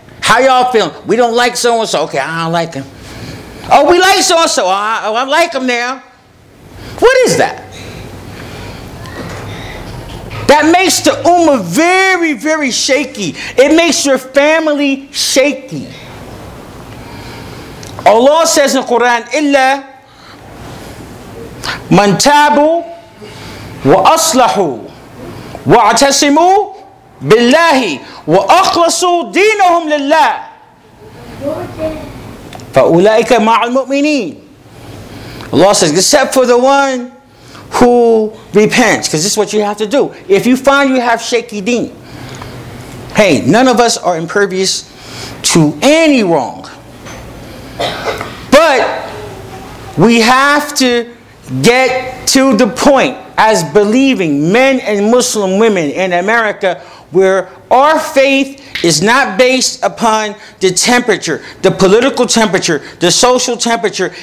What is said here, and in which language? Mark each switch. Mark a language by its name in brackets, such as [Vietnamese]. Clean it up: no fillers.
[English] How y'all feeling? We don't like so-and-so. Okay, I don't like him. Oh, we like so-and-so. I like him now. What is that? That makes the ummah very, very shaky. It makes your family shaky. Allah says in the Quran, [Arabic] إِلَّا مَنْ تَابُوا وَأَصْلَحُوا وَاعْتَسِمُوا بِاللَّهِ وَأَخْلَصُوا دِينَهُمْ لِلَّهِ فَأُولَٰئِكَ مَعَ الْمُؤْمِنِينَ. [English] Allah says, except for the one who repents, because this is what you have to do. If you find you have shaky deen, hey, none of us are impervious to any wrong. But we have to get to the point as believing men and Muslim women in America where our faith is not based upon the temperature, the political temperature, the social temperature.